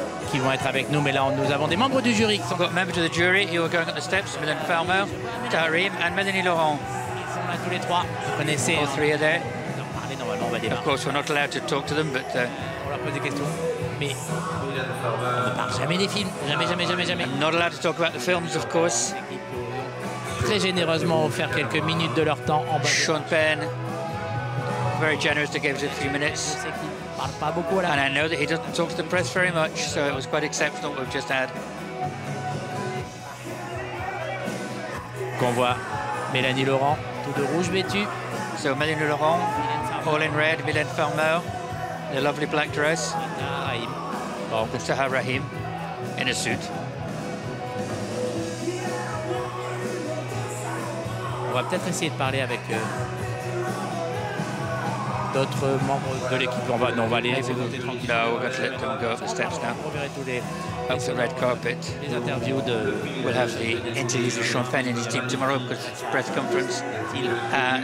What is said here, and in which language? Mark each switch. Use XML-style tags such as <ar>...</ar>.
<fr>Qui vont être avec nous, mais là nous avons des membres du jury.</fr> <en>We've got members of the jury who are going up the steps, Milan Farmer, Karim, and Mélanie Laurent.</en> <fr>Ils sont là tous les trois. Vous connaissez.</fr> <en>All three are there.</en> <fr>Normalement, normalement, on va démarrer.</fr> <en>Of course, we're not allowed to talk to them, but.</en> <fr>On leur pose des questions. Mais. On ne parle jamais des films. Jamais, jamais, jamais, jamais.</fr> <en>I'm not allowed to talk about the films, of course.</en> <fr>Très généreusement offert quelques minutes de leur temps en bas.</fr> <en>Sean Penn, very generous to give us a few minutes.</en> <fr>Parle pas beaucoup là.</fr> <en>And I know that he doesn't talk to the press very much, so it was quite exceptional what we've just had.</en> <fr>Qu'on voit Mélanie Laurent, tout de rouge vêtue.</fr> <en>So Mélanie Laurent, all in red, Mylène Farmer, the lovely black dress. Rahim. Bon. Sahar Rahim, in a suit.</en> <fr>On va peut-être essayer de parler avec d'autres membres de l'équipe. On va, non, on va aller.</fr> <en>No, we're going to let them go up the steps now.</en> <fr>On verra tous les</fr> <en>up the red carpet.</en> <fr>Les interviews de.</fr> <en>We'll have the interviews with Sean Penn and his team tomorrow because it's a press conference at</en>